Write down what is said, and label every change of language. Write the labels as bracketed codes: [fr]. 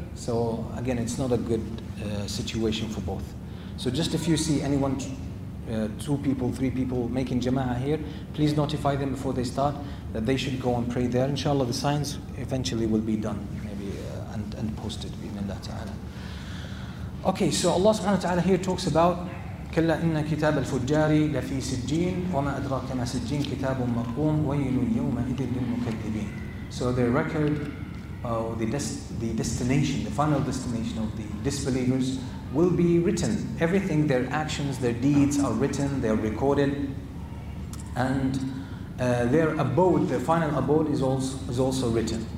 [en] So again, it's not a good situation for both. So just if you see anyone, two people, three people making jama'ah here, please notify them before they start that they should go and pray there. Inshallah, the signs eventually will be done, maybe and posted. Bismillah ta'ala. Okay, so Allah subhanahu wa ta'ala here talks about [ar] كَلَّا إِنَّ كِتَابَ الْفُجَّارِ لَفِي سِجِّينَ وَمَا أَدْرَاكَ مَا سِجِّينَ كِتَابٌ مَرْقُومٌ وَيْلٌ يَوْمَئِذٍ لِلْمُكَذِّبِينَ [en] So their record, the destination, the final destination of the disbelievers will be written. Everything, their actions, their deeds are written, they are recorded. And their abode, their final abode is also written.